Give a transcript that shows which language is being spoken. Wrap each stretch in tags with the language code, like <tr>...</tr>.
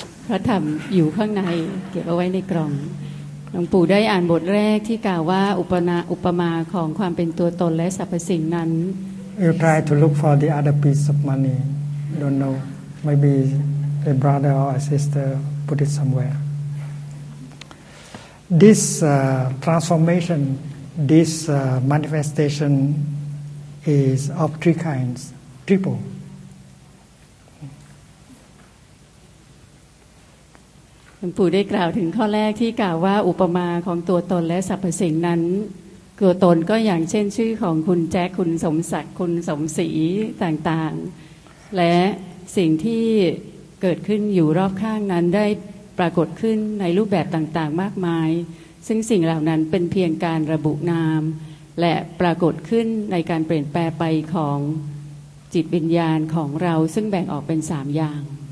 <th>พระธรรมอยู่ข้างในเก็บเอาไว้ในกล่องหลวงปู่ได้อ่านบทแรกที่กล่าวว่าอุปมาของความเป็นตัวตนและสรรพสิ่งนั้น</th> <en>You try to look for the other piece of money. Don't know. Maybe... A brother or a sister put it somewhere. This transformation, this manifestation is of three kinds, triple.</en> <th>หลวงปู่ได้กล่าวถึงข้อแรกที่กล่าวว่าอุปมาของตัวตนและสรรพสิ่งนั้นตัวตนก็อย่างเช่นชื่อของคุณแจ็คคุณสมศักดิ์คุณสมศรีต่างๆและสิ่งที่เกิดขึ้นอยู่รอบข้างนั้นได้ปรากฏขึ้นในรูปแบบต่างๆมากมายซึ่งสิ่งเหล่านั้นเป็นเพียงการระบุนามและปรากฏขึ้นในการเปลี่ยนแปลไปของจิตวิญญาณของเราซึ่งแบ่งออกเป็น3อย่าง</th>